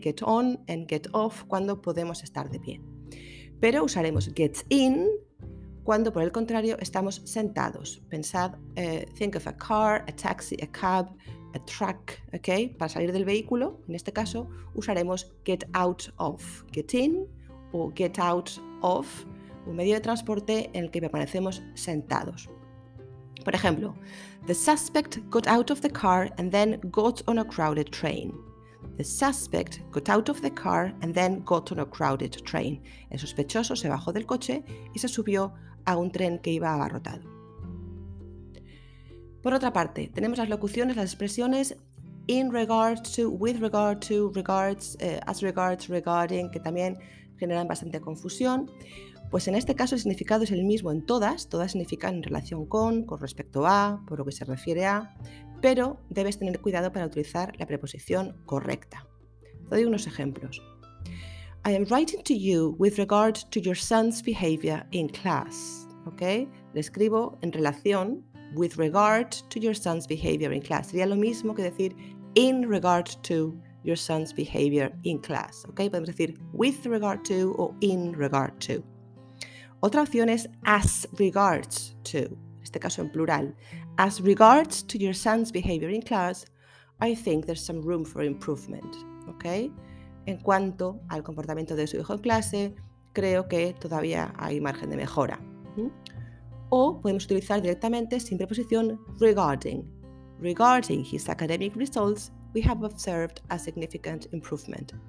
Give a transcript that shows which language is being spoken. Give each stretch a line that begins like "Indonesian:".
English: Get on and get off
Spanish: cuando podemos estar de pie. Pero usaremos
English: get in
Spanish: cuando, por el contrario, estamos sentados. Pensad,
English: think of a car, a taxi, a cab, a truck. ¿Okay?
Spanish: Para salir del vehículo, en este caso, usaremos
English: get out of. Get in
Spanish: o
English: get out of.
Spanish: Un medio de transporte en el que permanecemos sentados.
English: Por ejemplo, the suspect got out of the car and then got on a crowded train. The suspect got out of the car and then got on a crowded train.
Spanish: El sospechoso se bajó del coche y se subió a un tren que iba abarrotado. Por otra parte, tenemos las locuciones, las expresiones
English: in regard to, with regard to, regards, as regards, regarding,
Spanish: que también generan bastante confusión. Pues en este caso el significado es el mismo en todas. Todas significan en relación con respecto a, por lo que se refiere a. Pero debes tener cuidado para utilizar la preposición correcta. Te doy unos ejemplos.
English: I am writing to you with regard to your son's behavior in class. ¿Okay?
Spanish: Le escribo en relación,
English: with regard to your son's behavior in class.
Spanish: Sería lo mismo que decir
English: in regard to your son's behavior in class. ¿Okay?
Spanish: Podemos decir
English: with regard to
Spanish: o
English: in regard to.
Spanish: Otra opción es
English: as regards to,
Spanish: en este caso en plural.
English: As regards to your son's behavior in class, I think there's some room for improvement. ¿Okay?
Spanish: En cuanto al comportamiento de su hijo en clase, creo que todavía hay margen de mejora. O podemos utilizar directamente, sin preposición, regarding.
English: Regarding his academic results, we have observed a significant improvement.